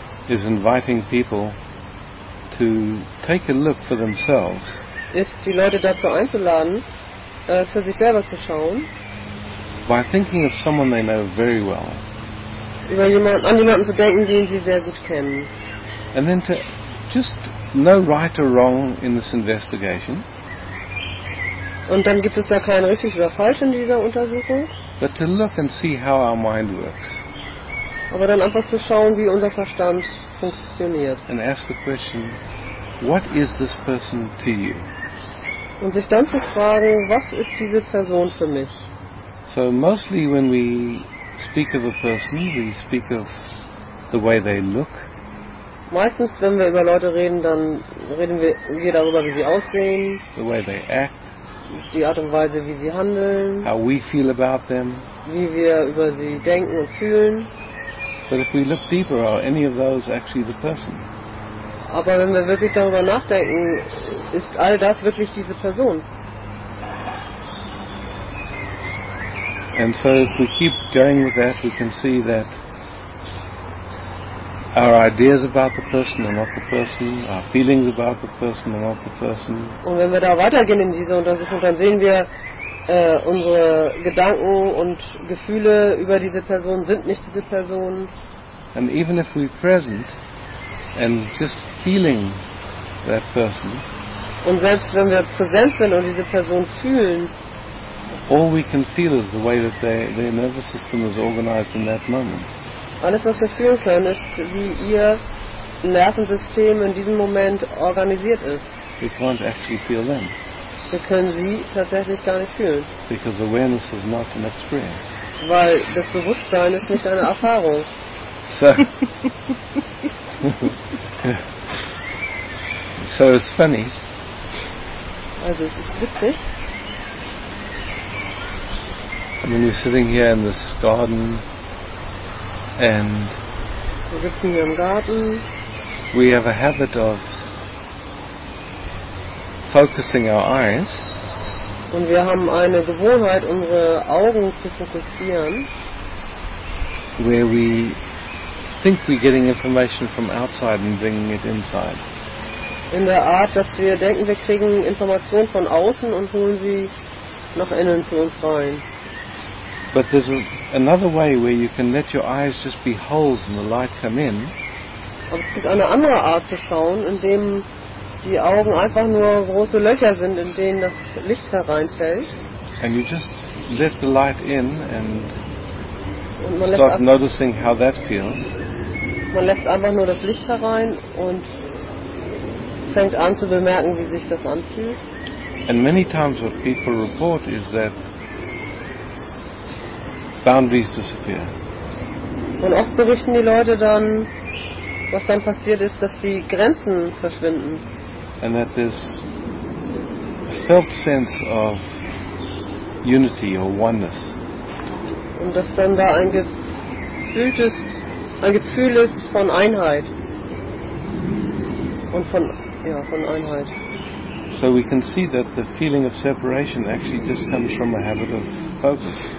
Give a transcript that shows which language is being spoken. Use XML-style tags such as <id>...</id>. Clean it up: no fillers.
<en>Is inviting people to take a look for themselves.</en> <de>Ist die Leute dazu einzuladen, für sich selber zu schauen.</de> <en>By thinking of someone they know very well.</en> <de>Über jemanden, an jemanden zu denken, den sie sehr gut kennen.</de> <en>And then to just no right or wrong in this investigation.</en> <de>Und dann gibt es da kein richtig oder falsch in dieser Untersuchung.</de> <en>But to look and see how our mind works.</en> <de>Aber dann einfach zu schauen, wie unser Verstand funktioniert.</de> <en>And ask the question, what is this person to you?</en> <de>Und sich dann zu fragen, was ist diese Person für mich?</de> <en>So mostly when we speak of a person, we speak of the way they look.</en> <de>Meistens, wenn wir über Leute reden, dann reden wir darüber, wie sie aussehen.</de> <en>The way they act.</en> <de>Die Art und Weise, wie sie handeln.</de> <en>How we feel about them.</en> <de>Wie wir über sie denken und fühlen.</de> <en>But if we look deeper, are any of those actually the person?</en> <de>Aber wenn wir wirklich darüber nachdenken, ist all das wirklich diese Person?</de> <en>And so if we keep going with that, we can see that our ideas about the person are not the person, our feelings about the person are not the person.</en> <de>Und wenn wir da weitergehen in diese Untersuchung, dann sehen wir, unsere Gedanken und Gefühle über diese Person sind nicht diese Person.</de> <en>And even if we're present and just feeling that person.</en> <de>Und selbst wenn wir präsent sind und diese Person fühlen,</de> <en>all we can feel is the way that their nervous system is organized in that moment.</en> <de>Alles, was wir fühlen können, ist, wie ihr Nervensystem in diesem Moment organisiert ist.</de> <en>We can't actually feel them.</en> <de>Wir können sie tatsächlich gar nicht fühlen.</de> <en>Because awareness is not an experience.</en> <de>Weil das Bewusstsein ist nicht eine Erfahrung.</de> <en>So it's funny.</en> <de>Also es ist witzig.</de> <en>I mean, you're sitting here in this garden, and</en> <de>wir sitzen hier im Garten.</de> <en>We have a habit of focusing our eyes.</en> <de>Und wir haben eine Gewohnheit, unsere Augen zu fokussieren.</de> <en>Where we think we're getting information from outside and bringing it inside.</en> <de>In der Art, dass wir denken, wir kriegen Informationen von außen und holen sie nach innen zu uns rein.</de> <en>But there's another way where you can let your eyes just be holes and the light come in.</en> <de>Aber es gibt eine andere Art zu schauen, in dem die Augen einfach nur große Löcher sind, in denen das Licht hereinfällt.</de> <en>And you just let the light in and start noticing how that feels.</en> <de>Man lässt einfach nur das Licht herein und fängt an zu bemerken, wie sich das anfühlt.</de> <en>And many times what people report is that boundaries disappear.</en> <de>Und oft berichten die Leute dann, was dann passiert ist, dass die Grenzen verschwinden.</de> <en>And that this felt sense of unity or oneness.</en> <de>Und dass dann da ein Gefühl ist von Einheit. Und von Einheit.</de> <en>So we can see that the feeling of separation actually just comes from a habit of focus.</en>